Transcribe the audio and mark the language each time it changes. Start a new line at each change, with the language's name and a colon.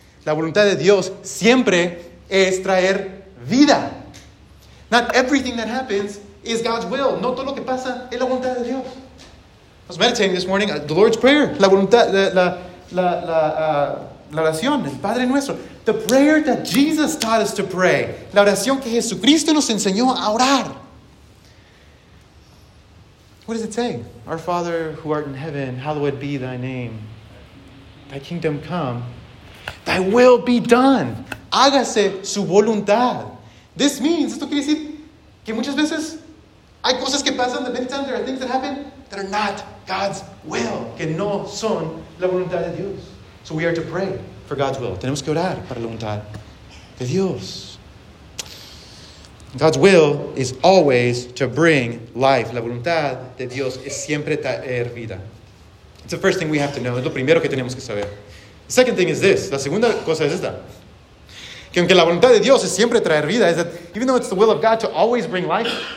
Spanish: La voluntad de Dios siempre es traer vida.
English: Not everything that happens is God's will.
Spanish: No todo lo que pasa es la voluntad de Dios.
English: I was meditating this morning, the Lord's Prayer.
Spanish: La voluntad, la oración, el Padre Nuestro.
English: The prayer that Jesus taught us to pray.
Spanish: La oración que Jesucristo nos enseñó a orar.
English: What does it say? Our Father who art in heaven, hallowed be thy name. Thy kingdom come. Thy will be done.
Spanish: Hágase su voluntad.
English: This means,
Spanish: esto quiere decir que muchas veces hay cosas que pasan,
English: the many times there are things that happen that are not God's will.
Spanish: Que no son la voluntad de Dios.
English: So we are to pray for God's will.
Spanish: Tenemos que orar para la voluntad de Dios.
English: God's will is always to bring life.
Spanish: La voluntad de Dios es siempre traer vida.
English: It's the first thing we have to know.
Spanish: Es lo primero que tenemos que saber.
English: The second thing is this.
Spanish: La segunda cosa es esta. Que aunque la voluntad de Dios es siempre traer vida,
English: is that even though it's the will of God to always bring life,